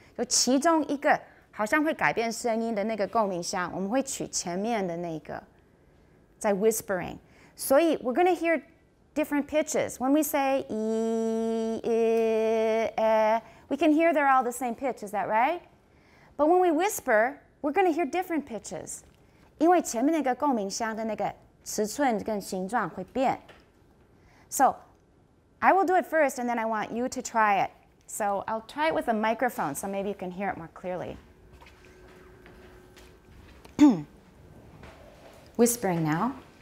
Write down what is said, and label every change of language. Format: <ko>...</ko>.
<zh>有其中一个好像会改变声音的那个共鸣箱，我们会取前面的那个，在 whispering. 所以</zh> <en>we're going to hear different pitches. When we say e, I, e, we can hear they're all the same pitch, is that right? But when we whisper, we're going to hear different pitches.</en> <zh>因为前面那个共鸣箱的那个尺寸跟形状会变。</zh> <en>So, I will do it first, and then I want you to try it. So, I'll try it with a microphone, so maybe you can hear it more clearly. whispering now.</en>